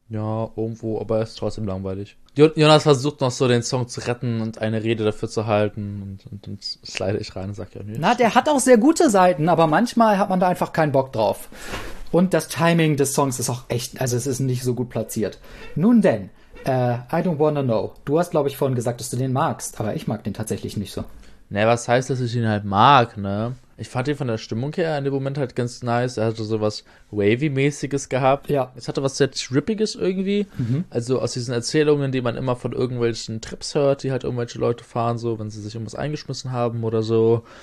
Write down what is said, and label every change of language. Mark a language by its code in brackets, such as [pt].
[de] Ja, irgendwo, aber es ist trotzdem langweilig. Jonas versucht noch so den Song zu retten und eine Rede dafür zu halten, und dann slide ich rein und sag ja nichts. Na, der hat auch sehr gute Seiten, aber manchmal hat man da einfach keinen Bock drauf. Und das Timing des Songs ist auch echt, also es ist nicht so gut platziert. Nun denn, [en] I don't wanna know. [de] Du hast, glaube ich, vorhin gesagt, dass du den magst, aber ich mag den tatsächlich nicht so. Ne, was heißt, dass ich ihn halt mag, ne? Ich fand ihn von der Stimmung her in dem Moment halt ganz nice. Er hatte so was Wavy-mäßiges gehabt. Ja. Es hatte was sehr Trippiges irgendwie. Mhm. Also aus diesen Erzählungen, die man immer von irgendwelchen Trips hört, die halt irgendwelche Leute fahren, so, wenn sie sich irgendwas eingeschmissen haben oder so.